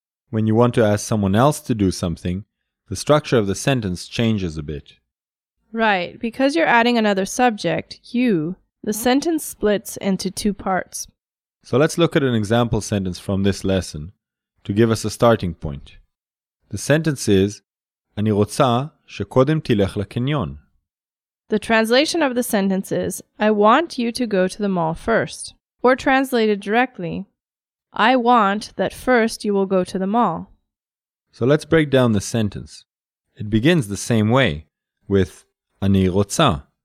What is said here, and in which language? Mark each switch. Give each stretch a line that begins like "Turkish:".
English: When you want to ask someone else to do something, the structure of the sentence changes a bit. Right, because you're adding another subject, you, the sentence splits into two parts. So let's look at an example sentence from this lesson to give us a starting point. The sentence is,
Hebrew: אני רוצה שקודם תלך לקניון.
English: The translation of the sentence is, I want you to go to the mall first. Or translated directly, I want that first you will go to the mall. So let's break down the sentence. It begins the same way, with
Hebrew: אני רוצה.